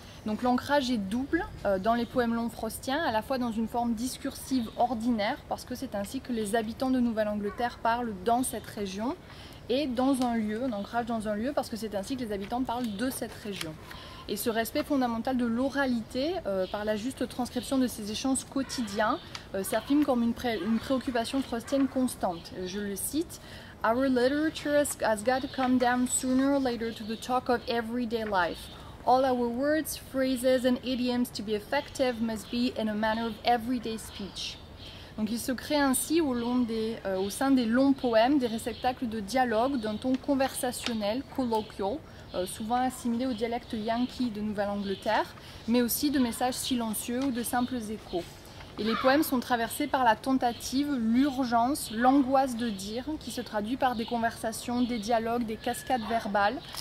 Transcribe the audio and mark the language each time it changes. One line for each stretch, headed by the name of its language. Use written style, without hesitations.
French: Donc l'ancrage est double dans les poèmes longs frostiens, à la fois dans une forme discursive ordinaire, parce que c'est ainsi que les habitants de Nouvelle-Angleterre parlent dans cette région, et dans un lieu, un ancrage dans un lieu, parce que c'est ainsi que les habitants parlent de cette région. Et ce respect fondamental de l'oralité, par la juste transcription de ces échanges quotidiens, s'affirme comme une préoccupation frostienne constante. Je le cite,
English: « Our literature has got to come down sooner or later to the talk of everyday life. » All our words, phrases and idioms to be effective must be in a manner of everyday speech.
French: Donc il se crée ainsi au sein des longs poèmes, des réceptacles de dialogue d'un ton conversationnel, colloquial, souvent assimilé au dialecte yankee de Nouvelle-Angleterre, mais aussi de messages silencieux ou de simples échos. Et les poèmes sont traversés par la tentative, l'urgence, l'angoisse de dire, qui se traduit par des conversations, des dialogues, des cascades verbales.